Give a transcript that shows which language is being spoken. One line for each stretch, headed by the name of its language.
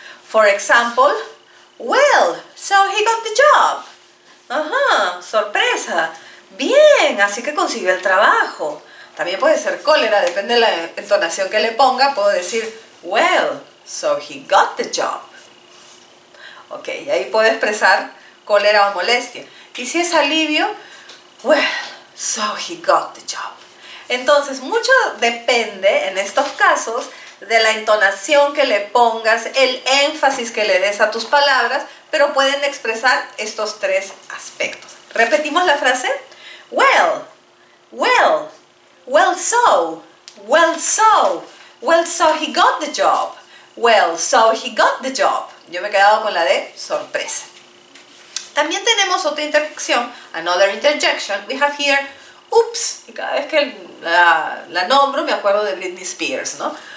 English: For example, well, so he got the job.
Spanish: Ajá, sorpresa. Bien, así que consiguió el trabajo. También puede ser cólera, depende de la entonación que le ponga. Puedo decir,
English: well, so he got the job.
Spanish: Ok, y ahí puede expresar cólera o molestia. Y si es alivio,
English: well, so he got the job.
Spanish: Entonces, mucho depende en estos casos de la entonación que le pongas, el énfasis que le des a tus palabras, pero pueden expresar estos tres aspectos. Repetimos la frase.
English: Well, well, well, so, well, so he got the job. Well, so he got the job.
Spanish: Yo me he quedado con la de sorpresa. También tenemos otra interjección,
English: another interjection. We have here, oops,
Spanish: y cada vez que la nombro me acuerdo de Britney Spears, ¿no?